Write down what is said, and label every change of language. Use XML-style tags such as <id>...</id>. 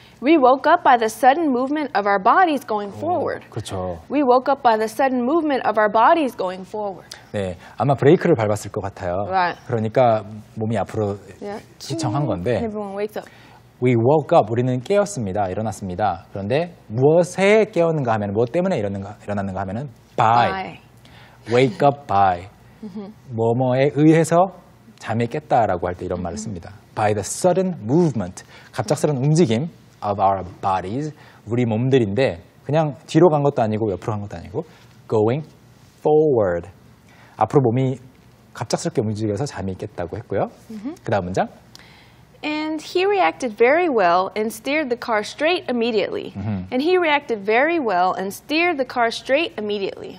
<en>We woke up by the sudden movement of our bodies going forward.</en> <ko>그렇죠.</ko> <en>We woke up by the sudden movement of our bodies going forward.</en> <ko>네, 아마 브레이크를 밟았을 것 같아요.</ko> <en>Right.</en> <ko>그러니까 몸이 앞으로 휘청한 건데.</ko> <en>Everyone wakes up. We woke up.</en> <ko>우리는 깨었습니다. 일어났습니다. 그런데 무엇에 깨었는가 하면 무엇 때문에 일어났는가 하면은 by.</ko> <en>Wake up by.</en> <ko>뭐뭐에 의해서 잠이 깼다라고 할 때 이런 말을 씁니다.</ko> <en>By the sudden movement.</en> <ko>갑작스러운 움직임.</ko> <en>Of our bodies,</en> <ko>우리 몸들인데 그냥 뒤로 간 것도 아니고 옆으로 간 것도 아니고</ko> <en>going forward.</en> <ko>앞으로 몸이 갑작스럽게 움직여서 잠이 깼다고 했고요. 그 다음 문장.</ko> <en>And he reacted very well and steered the car straight immediately. And he reacted very well and steered the car straight immediately.</en>